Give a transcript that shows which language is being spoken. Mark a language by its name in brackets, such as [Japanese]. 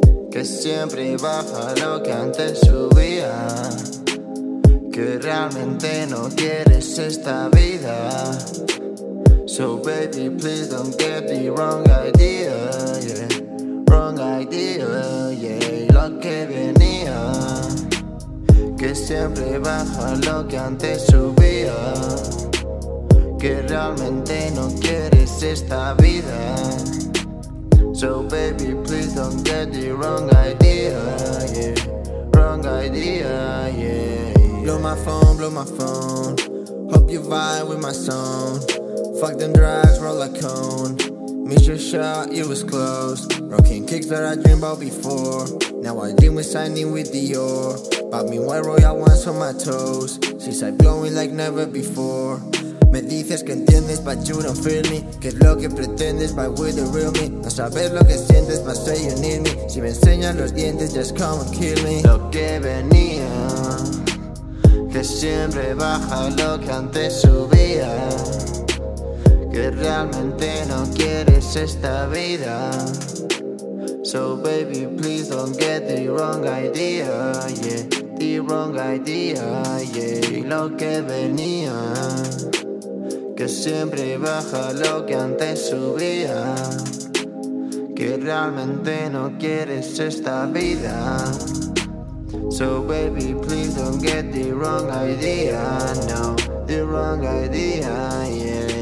[Spanish] Que siempre baja lo que antes subía. Que realmente no quieres esta vida. [English] So baby, please don't get the wrong idea, yeah. Wrong idea, yeah. [Spanish] Lo que venía. Que siempre baja lo que antes subía. Que realmente no quieres esta vida. [English] So baby, please don't get the wrong idea, yeah. Wrong idea, yeah. Blow my phone, blow my phone. Hope you vibe with my song. Fuck them drugs, roll a cone. Miss your shot, it was close. Rocking kicks that I dreamed about before. Now I dream with signing with Dior. Bought me white royal ones on my toes. Since I'm glowing like never before. [Spanish] Me dices que entiendes, [English] but you don't feel me. [Spanish] Que es lo que pretendes, [English] but with the real me. [Spanish] No sabes lo que sientes, [English] but say you need me. [Spanish] Si me enseñan los dientes, [English] just come and kill me. [Spanish] Lo que venía. Que siempre baja lo que antes subía. Que realmente no quieres esta vida. [English] So baby, please don't get the wrong idea, yeah. The wrong idea, yeah. [Spanish] Lo que venía. Que siempre baja lo que antes subía. Que realmente no quieres esta vida. [English] So baby, please don't get the wrong idea, no. The wrong idea, yeah.